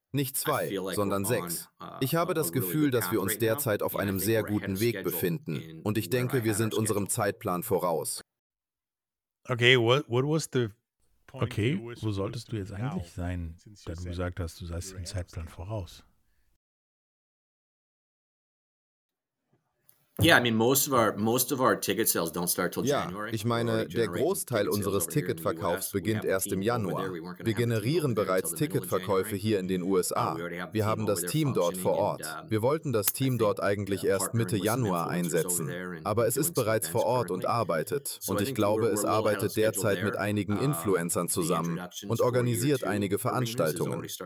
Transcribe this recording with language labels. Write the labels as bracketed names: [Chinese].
[German] Nicht 2, sondern 6. Ich habe das Gefühl, dass wir uns derzeit auf einem sehr guten Weg befinden. Und ich denke, wir sind unserem Zeitplan voraus. [English] Okay, what was the point? [German] Okay, wo solltest du jetzt eigentlich sein, da du gesagt hast, du seist dem Zeitplan voraus? [English] Yeah, I mean most of our ticket sales don't start till January. [German] Ja, ich meine, der Großteil unseres Ticketverkaufs beginnt erst im Januar. Wir generieren bereits Ticketverkäufe hier in den USA. Wir haben das Team dort vor Ort. Wir wollten das Team dort eigentlich erst Mitte Januar einsetzen, aber es ist bereits vor Ort und arbeitet. Und ich glaube, es arbeitet derzeit mit einigen Influencern zusammen und organisiert einige Veranstaltungen.